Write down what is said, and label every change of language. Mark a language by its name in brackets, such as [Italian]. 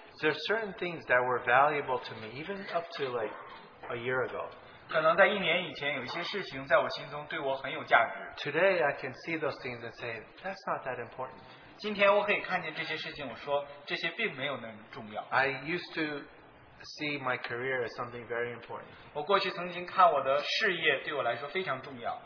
[English] there are certain things that were valuable to me, even up to like a year ago. [Chinese] 可能在一年以前有一些事情在我心中对我很有价值。 [English] Today I can see those things and say, that's not that important. [Chinese] 今天我可以看见这些事情，我说这些并没有那么重要。 [English] I used to see my career as something very important. [Chinese] 我过去曾经看我的事业对我来说非常重要。